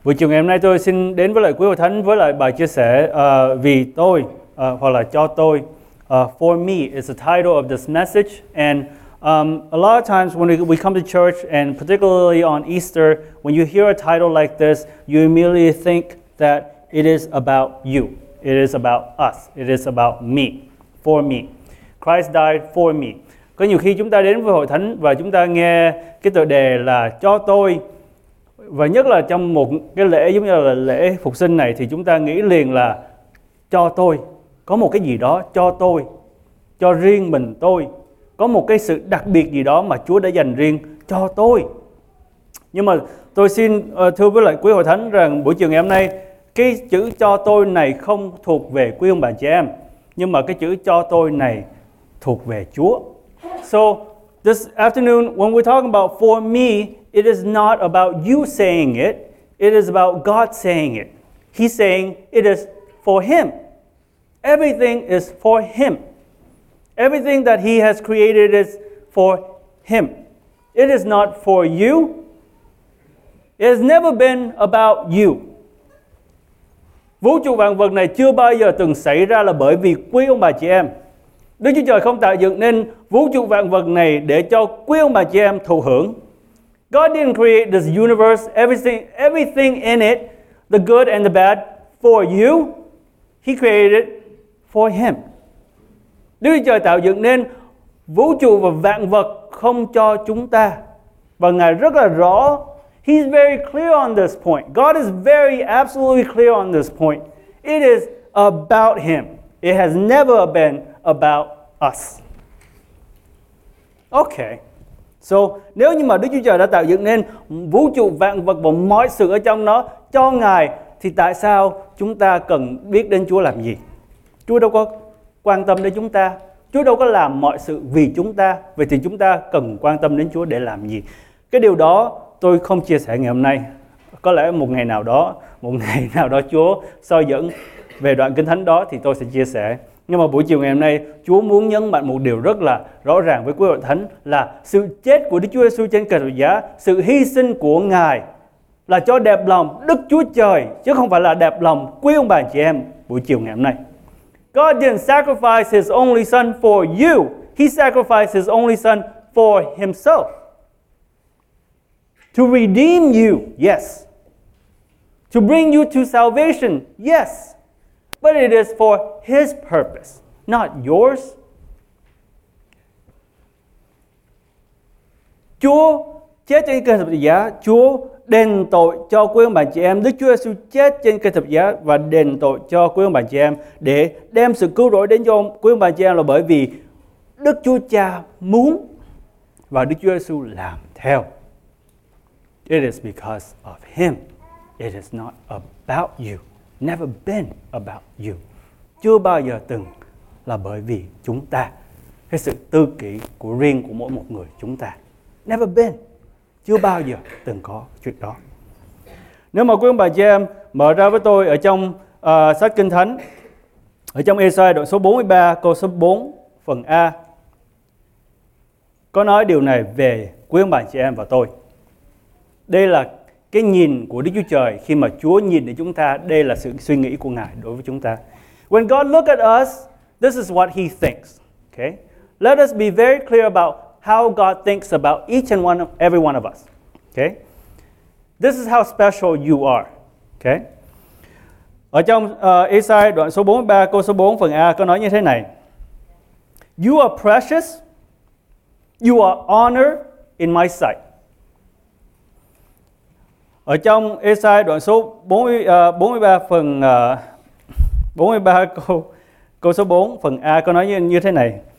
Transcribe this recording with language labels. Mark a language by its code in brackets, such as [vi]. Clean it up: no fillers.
[vi] Buổi chiều ngày hôm nay tôi xin đến với lại quý hội thánh với lại bài chia sẻ vì tôi hoặc là cho tôi. [en] For me is the title of this message. And a lot of times when we come to church, and particularly on Easter, when you hear a title like this, you immediately think that it is about you. It is about us. It is about me. For me. Christ died for me. [vi] Có nhiều khi chúng ta đến với hội thánh và chúng ta nghe cái tựa đề là cho tôi, và nhất là trong một cái lễ giống như là lễ phục sinh này, thì chúng ta nghĩ liền là cho tôi, có một cái gì đó cho tôi, cho riêng mình tôi, có một cái sự đặc biệt gì đó mà Chúa đã dành riêng cho tôi. Nhưng mà tôi xin thưa với lại quý hội thánh rằng buổi chiều ngày hôm nay, cái chữ cho tôi này không thuộc về quý ông bà chị em, nhưng mà cái chữ cho tôi này thuộc về Chúa. [en] So this afternoon when we're talking about for me, it is not about you saying it, it is about God saying it. He's saying it is for him. Everything is for him. Everything that he has created is for him. It is not for you. It has never been about you. [vi] Vũ trụ vạn vật này chưa bao giờ từng xảy ra là bởi vì quý ông bà chị em. Đức Chúa Trời không tạo dựng nên vũ trụ vạn vật này để cho quý ông bà chị em thụ hưởng. [en] God didn't create this universe, everything in it, the good and the bad, for you. He created it for him. [vi] Đức Chúa Trời tạo dựng nên vũ trụ và vạn vật không cho chúng ta. Và Ngài rất là rõ. [en] He's very clear on this point. God is very absolutely clear on this point. It is about him. It has never been about us. Okay. [vi] So, nếu như mà Đức Chúa Trời đã tạo dựng nên vũ trụ vạn vật và mọi sự ở trong nó cho Ngài, thì tại sao chúng ta cần biết đến Chúa làm gì? Chúa đâu có quan tâm đến chúng ta. Chúa đâu có làm mọi sự vì chúng ta. Vậy thì chúng ta cần quan tâm đến Chúa để làm gì? Cái điều đó tôi không chia sẻ ngày hôm nay. Có lẽ một ngày nào đó Chúa soi dẫn về đoạn kinh thánh đó thì tôi sẽ chia sẻ. Nhưng mà buổi chiều ngày hôm nay, Chúa muốn nhấn mạnh một điều rất là rõ ràng với quý hội thánh là sự chết của Đức Chúa Giêsu trên cây thập giá, sự hy sinh của Ngài là cho đẹp lòng Đức Chúa Trời, chứ không phải là đẹp lòng quý ông bà chị em buổi chiều ngày hôm nay. [en] God didn't sacrifice his only son for you. He sacrificed his only son for himself. To redeem you, yes. To bring you to salvation, yes. But it is for his purpose, not yours. [vi] Chúa chết trên cây thập giá, Chúa đền tội cho quý ông bà chị em. Đức Chúa Giêsu chết trên cây thập giá và đền tội cho quý ông bà chị em để đem sự cứu rỗi đến cho quý ông bà chị em là bởi vì Đức Chúa Cha muốn và Đức Chúa Giêsu làm theo. [en] It is because of him. It is not about you. Never been about you. [vi] Chưa bao giờ từng là bởi vì chúng ta. Cái sự tư kỷ của riêng của mỗi một người chúng ta. [en] Never been. [vi] Chưa bao giờ từng có chuyện đó. Nếu mà quý ông bà chị em mở ra với tôi ở trong sách Kinh Thánh, ở trong Ê-sai đoạn số 43 câu số 4 phần A, có nói điều này về quý ông bà chị em và tôi. Đây là cái nhìn của Đức Chúa Trời khi mà Chúa nhìn đến chúng ta. Đây là sự suy nghĩ của Ngài đối với chúng ta. [en] When God look at us, this is what he thinks. Okay? Let us be very clear about how God thinks about each and one of every one of us. Okay? This is how special you are. Okay? [vi] Ở trong Ê-sai đoạn số 43 câu số 4 phần A có nói như thế này. [en] You are precious. You are honored in my sight. [vi] Ở trong Ê-sai đoạn số 43 phần 43 câu số 4 phần A có nói như thế này.